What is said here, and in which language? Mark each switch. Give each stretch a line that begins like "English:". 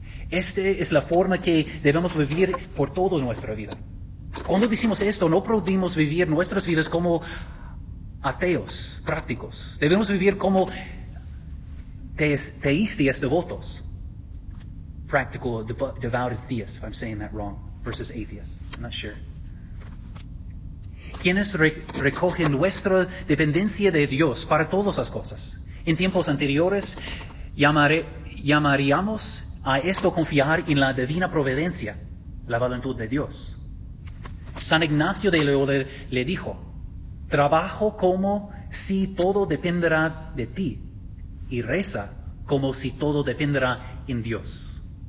Spanish: Esta es la forma que debemos vivir por toda nuestra vida. Cuando decimos esto, no podemos vivir nuestras vidas como ateos prácticos. Debemos vivir como teístas devotos.
English: Practical, devoted theists, if I'm saying that wrong, versus atheists. I'm not sure.
Spanish: Quienes recogen nuestra dependencia de Dios para todas las cosas. En tiempos anteriores, llamaríamos a esto confiar en la divina providencia, la voluntad de Dios. San Ignacio de Loyola le dijo, trabajo como si todo dependerá de ti y reza como si todo dependerá en Dios.